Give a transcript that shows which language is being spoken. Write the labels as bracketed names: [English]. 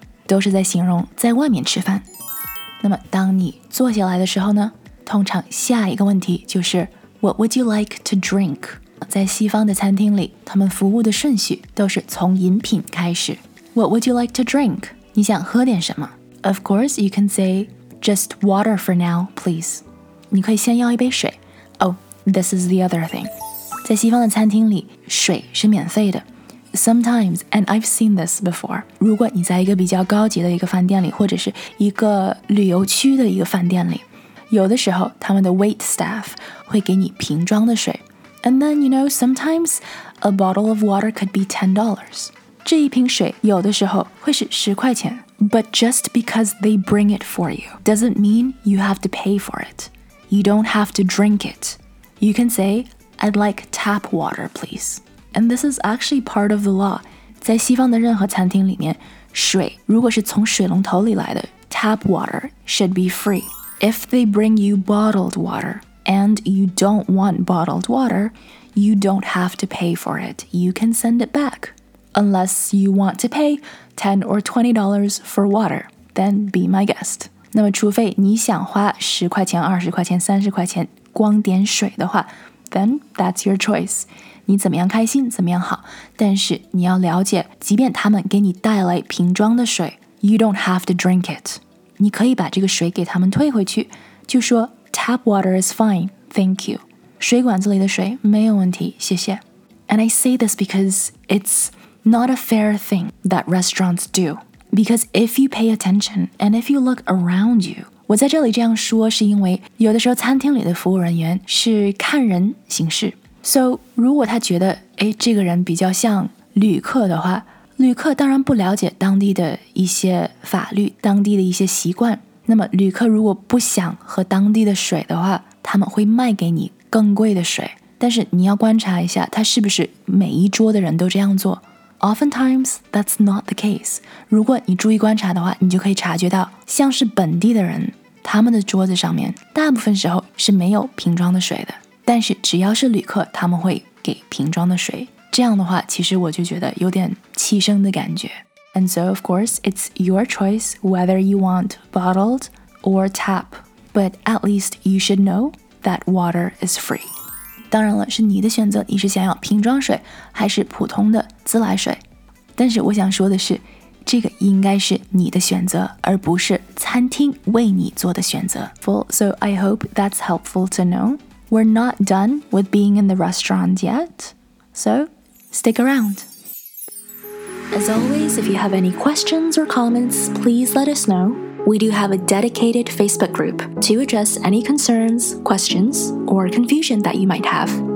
[Chinese] 都是在形容在外面吃饭那么当你坐下来的时候呢通常下一个问题就是 [English] What would you like to drink [Chinese] 在西方的餐厅里他们服务的顺序都是从饮品开始 [English] What would you like to drink? [Chinese] 你想喝点什么? [English] Of course, you can say, just water for now, please. [Chinese] 你可以先要一杯水。 [English] Oh, this is the other thing. [Chinese] 在西方的餐厅里,水是免费的。 [English] Sometimes, and I've seen this before, [Chinese] 如果你在一个比较高级的一个饭店里,或者是一个旅游区的一个饭店里,有的时候他们的 wait staff 会给你瓶装的水。 [English] And then, you know, sometimes a bottle of water could be $10. [Chinese] 这一瓶水有的时候会是十块钱 [English] But just because they bring it for you doesn't mean you have to pay for it. You don't have to drink it. You can say, I'd like tap water, please. And this is actually part of the law. [Chinese] 在西方的任何餐厅里面水如果是从水龙头里来的 [English] tap water should be free. If they bring you bottled water and you don't want bottled water, you don't have to pay for it. You can send it back. Unless you want to pay $10 or $20 for water, then be my guest. [Chinese] 那么除非你想花十块钱、二十块钱、三十块钱光点水的话 [English] then that's your choice. [Chinese] 你怎么样开心怎么样好。但是你要了解即便他们给你带来瓶装的水 [English] you don't have to drink it. [Chinese] 你可以把这个水给他们退回去就说 [English] tap water is fine, thank you. [Chinese] 水管子里的水没有问题谢谢。 [English] And I say this because it's...Not a fair thing that restaurants do. Because if you pay attention and if you look around you, [Chinese] 我在这里这样说是因为有的时候餐厅里的服务人员是看人行事。 So, 如果他觉得诶这个人比较像旅客的话，旅客当然不了解当地的一些法律，当地的一些习惯。那么旅客如果不想喝当地的水的话，他们会卖给你更贵的水。但是你要观察一下他是不是每一桌的人都这样做。 [English] Oftentimes, that's not the case. [Chinese] 如果你注意观察的话，你就可以察觉到，像是本地的人，他们的桌子上面，大部分时候是没有瓶装的水的。但是只要是旅客，他们会给瓶装的水。这样的话，其实我就觉得有点气声的感觉。 [English] And so, of course, it's your choice whether you want bottled or tap. But at least you should know that water is free. [Chinese] 当然了，是你的选择，你是想要瓶装水还是普通的自来水。但是我想说的是，这个应该是你的选择，而不是餐厅为你做的选择。 [English] So I hope that's helpful to know. We're not done with being in the restaurant yet. So stick around. As always, if you have any questions or comments, please let us know. We do have a dedicated Facebook group to address any concerns, questions, or confusion that you might have.